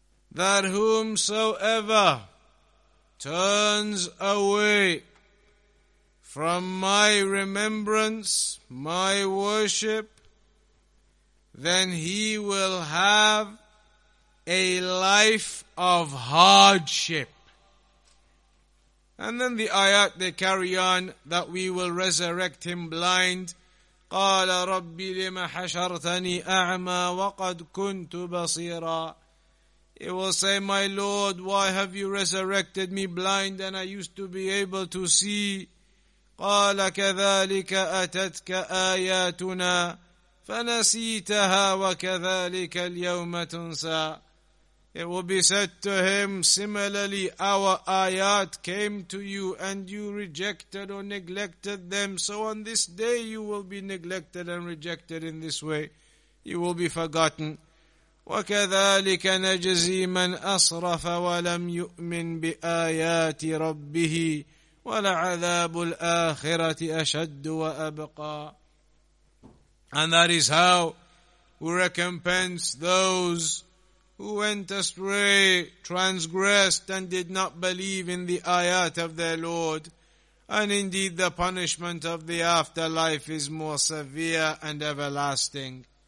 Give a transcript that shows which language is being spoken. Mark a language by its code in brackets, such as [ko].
[en] That whomsoever turns away from my remembrance, my worship, then he will have a life of hardship. And then the ayat they carry on, that we will resurrect him blind. [ar] قَالَ رَبِّي لِمَ حَشَرْتَنِي أَعْمَى وَقَدْ كُنْتُ بَصِيرًا. [en] It will say, my Lord, why have you resurrected me blind and I used to be able to see? [ar] قَالَ كَذَلِكَ أَتَتْكَ آيَاتُنَا فَنَسِيتَهَا وَكَذَلِكَ الْيَوْمَ تُنْسَى. [en] It will be said to him, similarly, our ayat came to you and you rejected or neglected them. So on this day you will be neglected and rejected in this way. You will be forgotten. [ar] وكذلك نجزي من أسرف ولم يؤمن بآيات ربه ولعذاب الآخرة أشد وأبقى. [en] And that is how we recompense those who went astray, transgressed, and did not believe in the ayat of their Lord. And indeed the punishment of the afterlife is more severe and everlasting.